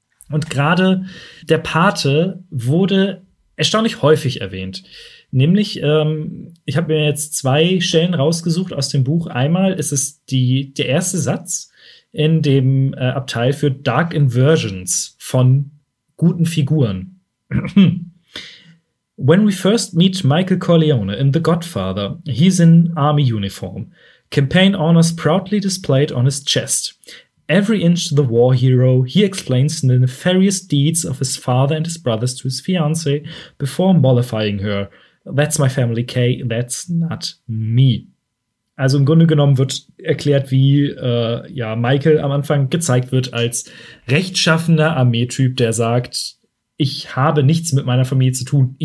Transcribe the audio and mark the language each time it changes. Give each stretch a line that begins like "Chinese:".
German: Und gerade der Pate wurde erstaunlich häufig erwähnt. Nämlich, ich habe mir jetzt zwei Stellen rausgesucht aus dem Buch. Einmal ist es der erste Satz in dem Abteil für Dark Inversions von guten Figuren.
English: When we first meet Michael Corleone in The Godfather, he's in army uniform. Campaign honors proudly displayed on his chest. Every inch the war hero, he explains the nefarious deeds of his father and his brothers to his fiancée before mollifying her. That's my family, Kay. That's not me.
German: Also im Grunde genommen wird erklärt, wie ja, Michael am Anfang gezeigt wird als rechtschaffender Armeetyp, der sagt, ich habe nichts mit meiner Familie zu tun.